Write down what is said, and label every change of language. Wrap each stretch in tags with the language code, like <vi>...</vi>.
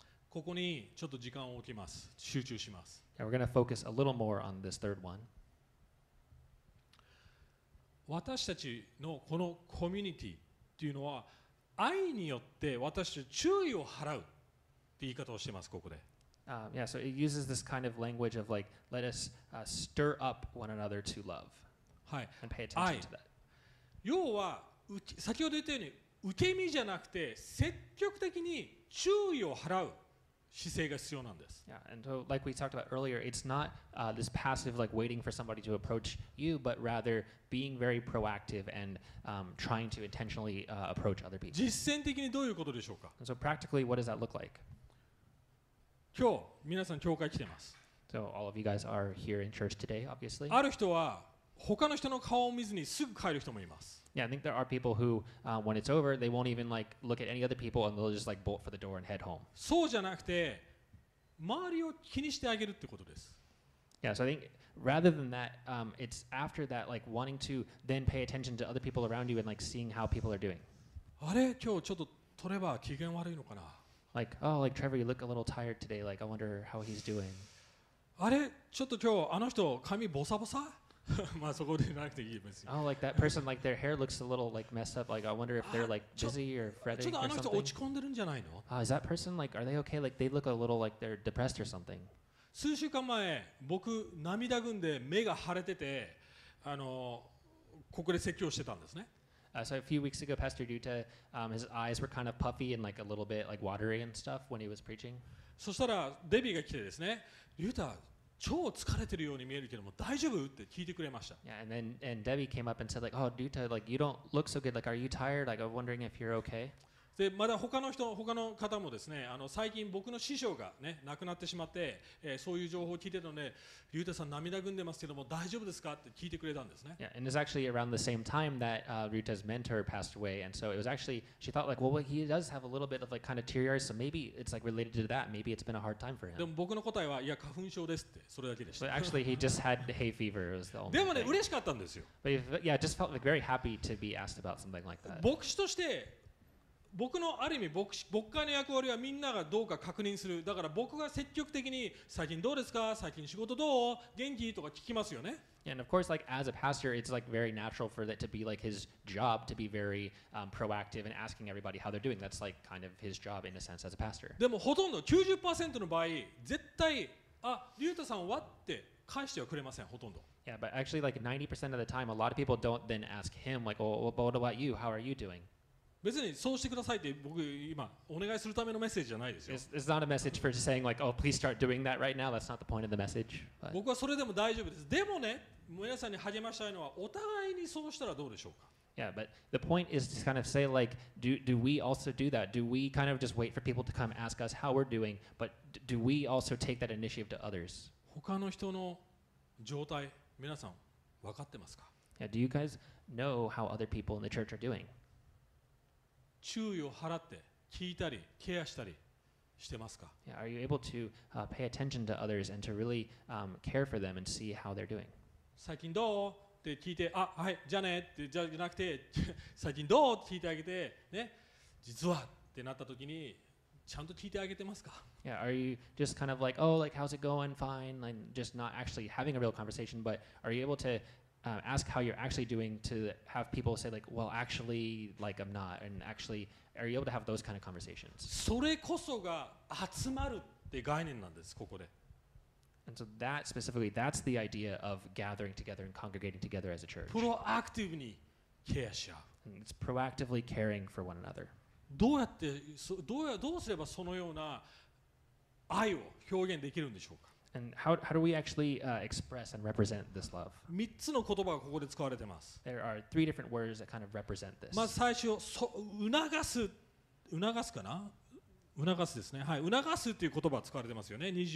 <ja>ここにちょっと時間を置きます。集中します。</ja> <en>Yeah, we're gonna focus a little more on this third one.</en> <ja>私たちのこのコミュニティというのは愛によって私たちに注意を払うっていう言い方をしています、ここで。</ja> <en>Yeah, so it uses this kind of language of like, let us stir up one another to love.</en> <ja>はい。</ja> <en>And pay attention to that.</en> <ja>要は、先ほど言ったように受け身じゃなくて積極的に注意を払う。姿勢が必要なんです。</ja> <en>Yeah, and so like we talked about earlier, it's not this passive like waiting for somebody to approach you, but rather being very proactive and trying to intentionally approach other people.</en> <ja>実践的にどういうことでしょうか?</ja> <en>And so practically, what does that look like?</en> <ja>今日、皆さん教会来てます。</ja> <en>So all of you guys are here in church today, obviously.</en> <ja>ある人は他の人の顔を見ずにすぐ帰る人もいます。</ja> <en>Yeah, I think there are people who, when it's over, they won't even like look at any other people and they'll just like bolt for the door and head home.</en> <ja>そうじゃなくて、周りを気にしてあげるってことです。</ja> <en>Yeah, so I think rather than that, it's after that like wanting to then pay attention to other people around you and like seeing how people are doing.</en> <ja>あれ、今日ちょっとトレバー機嫌悪いのかな。</ja> <en>Like, oh, like Trevor, you look a little tired today. Like, I wonder how he's doing.</en> <ja>あれ、ちょっと今日あの人髪ボサボサ？まあそこでなくていいです</ja> <en>よ。Oh, like that person, like their hair looks a little like messed up. Like, I wonder if they're like dizzy or fretting or something.</en> <ja>ちょっとあの人落ち込んでるんじゃないの？</ja> <en>Is that person like, are they okay? Like, they look a little like they're depressed or something.</en> <ja>数週間前、僕涙ぐんで目が腫れてて、ここで説教してたんですね。</ja> <en>So a few weeks ago, Pastor Duta, his eyes were kind of puffy and like a little bit like watery and stuff when he was preaching.</en> <ja>そしたらデビーが来てですね、ユタ超疲れてるように見えるけども大丈夫って聞いてくれました。</ja> <en>Yeah, and then and Debbie came up and said like, oh, Duta, like you don't look so good. Like, are you tired? Like, I'm wondering if you're okay.</en> <ja>でまだ他の方もですね、最近僕の師匠がね亡くなってしまって、そういう情報を聞いてたので、ユタさん涙ぐんでますけども大丈夫ですかって聞いてくれたんですね。</ja> <en>Yeah, and it's actually around the same time that Ruta's mentor passed away, and so it was actually she thought like, well, he does have a little bit of like kind of teary eyes, so maybe it's like related to that. Maybe it's been a hard time for him.</en> <ja>でも僕の答えはいや花粉症ですってそれだけでした。</ja> <en>But actually, he just had hay fever. It was the only</en> <ja>でもね嬉しかったんですよ。</ja> <en>But yeah, just felt like very happy to be asked about something like that.</en> <ja>牧師として僕のある意味牧会の役割はみんながどうか確認する。だから僕が積極的に最近どうですか？最近仕事どう？元気？とか聞きますよね。</ja> <en>And of course, like as a pastor, it's like very natural for that to be like his job to be very proactive and asking everybody how they're doing. That's like kind of his job in a sense as a pastor.</en> <ja>でもほとんど 90% の場合、絶対あ、リュウタさんはって返してはくれません。ほとんど。</ja> <en>Yeah, but actually, like 90% of the time, a lot of people don't then ask him like, oh, what about you? How are you doing?</en> <ja>別にそうしてくださいって僕今お願いするためのメッセージじゃないですよ。</ja> <en>It's not a message for saying like, oh, please start doing that right now. That's not the point of the message.</en> <ja>But 僕はそれでも大丈夫です。でもね、皆さんに励ましたいのはお互いにそうしたらどうでしょうか。</ja> <en>Yeah, but the point is to kind of say like, do we also do that? Do we kind of just wait for people to come ask us how we're doing? But do we also take that initiative to others?</en> <ja>他の人の状態、皆さん分かってますか。</ja> <en>Yeah, do you guys know how other people in the church are doing?</en> <ja>注意を払って聞いたりケアしたりしてますか？</ja> <en>Yeah, are you able to pay attention to others and to really care for them and see how they're doing?</en> <ja>最近どう？って聞いて、あ、はい、じゃねってじゃなくて、最近どう？って聞いてあげて、ね、実はってなった時にちゃんと聞いてあげてますか？</ja> <en>Yeah, are you just kind of like, oh, like how's it going? Fine, and just not actually having a real conversation, but are you able toask how you're actually doing to have people say like, well, actually, like I'm not, and actually, are you able to have those kind of conversations?</en> <ja>それこそが集まるって概念なんです、ここで。</ja> <en>And so that specifically, that's the idea of gathering together and congregating together as a church.</en> <ja>Proactive にケアし合う。</ja> <en>And it's proactively caring for one another.</en> <ja>どうすればそのような愛を表現できるんでしょうか？</ja> <en>And how do we actually express and represent this love?</en> <ja>三つの言葉がここで使われてます。</ja> <en>There are three different words that kind of represent this.</en> <ja>まず最初、促すかな？促すですね。はい、促すっていう言葉が使われてますよね。</ja>